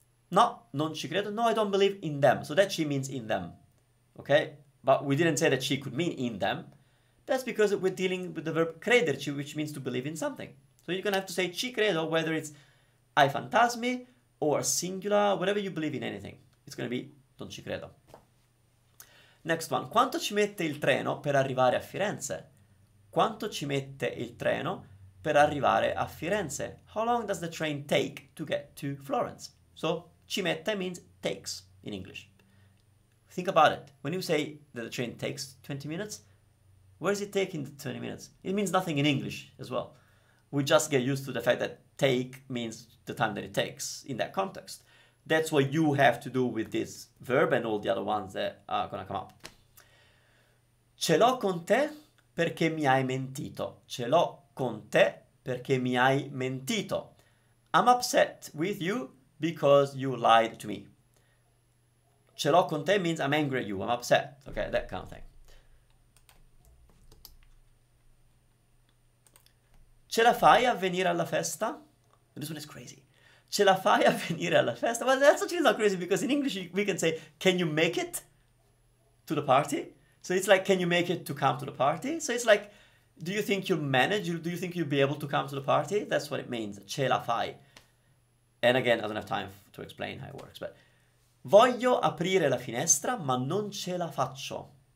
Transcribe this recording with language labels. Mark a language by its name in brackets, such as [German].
[Italian] No, non ci credo. [English] No, I don't believe in them. So that ci means in them. Okay? But we didn't say that ci could mean in them. That's because we're dealing with the verb crederci, which means to believe in something. So you're going to have to say [Italian] ci credo, [English] whether it's [Italian] ai fantasmi [English] or singular, whatever you believe in anything. It's going to be [Italian] non ci credo. [English] Next one. [Italian] Quanto ci mette il treno per arrivare a Firenze? Quanto ci mette il treno per arrivare a Firenze? [English] How long does the train take to get to Florence? So, ci mette means takes in English. Think about it. When you say that the train takes 20 minutes, where is it taking the 20 minutes? It means nothing in English as well. We just get used to the fact that take means the time that it takes in that context. That's what you have to do with this verb and all the other ones that are going to come up. [Italian] Ce l'ho con te. Perché mi hai mentito? Ce l'ho con te perché mi hai mentito. [English] I'm upset with you because you lied to me. [Italian] Ce l'ho con te [English] means I'm angry at you, I'm upset. Okay, that kind of thing. [Italian] Ce la fai a venire alla festa? [English] This one is crazy. [Italian] Ce la fai a venire alla festa? [English] Well, that's actually not crazy, because in English we can say, can you make it to the party? So it's like, can you make it to come to the party? So it's like, do you think you'll manage? Do you think you'll be able to come to the party? That's what it means. [Italian] Ce la fai. [English] And again, I don't have time to explain how it works, but. [Italian] Voglio aprire la finestra, ma non ce la faccio.